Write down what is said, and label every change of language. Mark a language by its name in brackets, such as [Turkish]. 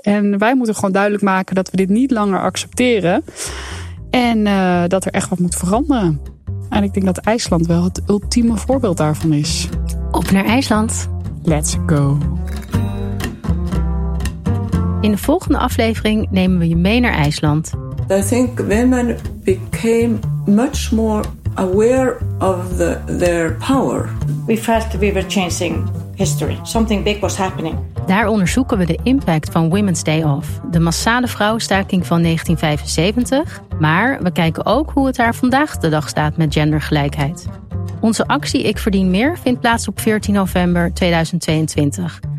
[Dutch] En wij moeten gewoon duidelijk maken dat we dit niet langer accepteren. En dat er echt wat moet veranderen. En ik denk dat IJsland wel het ultieme voorbeeld daarvan is. Op naar IJsland. [English] Let's go. [Dutch] In de volgende aflevering nemen we je mee naar IJsland. [English] I think women became much more aware of their power. We felt we were changing history. Something big was happening. [Dutch] Daar onderzoeken we de impact van Women's Day Off, de massale vrouwenstaking van 1975. Maar we kijken ook hoe het daar vandaag de dag staat met gendergelijkheid. Onze actie Ik Verdien Meer vindt plaats op 14 november 2022.